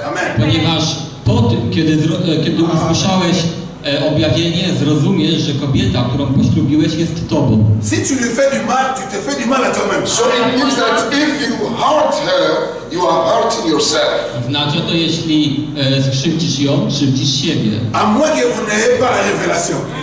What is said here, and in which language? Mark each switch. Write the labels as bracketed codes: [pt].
[pl] Amen. Ponieważ po tym, kiedy usłyszałeś objawienie, zrozumiesz, że kobieta, którą poślubiłeś, jest tobą. [fr] Si tu lui fais du mal, tu te fais du mal à toi-même. [en] So it means that if you hurt her, you are hurting yourself. [pl] Znaczy to, jeśli skrzywdzisz ją, krzywdzisz siebie. [fr] A moi que vous n'ayez pas la révélation.